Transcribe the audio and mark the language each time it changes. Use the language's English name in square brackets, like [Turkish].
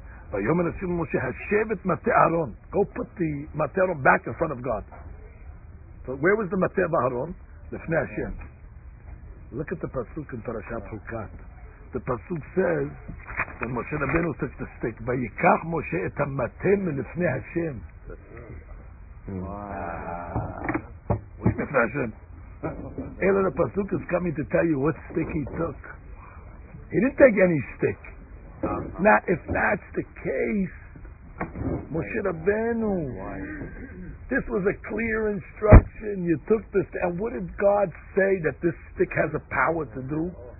[Hebrew] ויאמר השם למשה, השב את מטה אהרון. [English] Go put the מטה אהרון back in front of God. So where was the מטה באהרון? [Hebrew] לפני השם. [English] Look at the פסוק in פרשת חוקת. The פסוק says, when משה רבנו took the stick, [Hebrew] ויקח משה את המטה מלפני השם. [English] Wow. What's לפני השם? Elo the pasuk is coming to tell you what stick he took. He didn't take any stick. Now, if that's the case, Moshe Rabbeinu, this was a clear instruction. You took this, and what did God say that this stick has a power to do?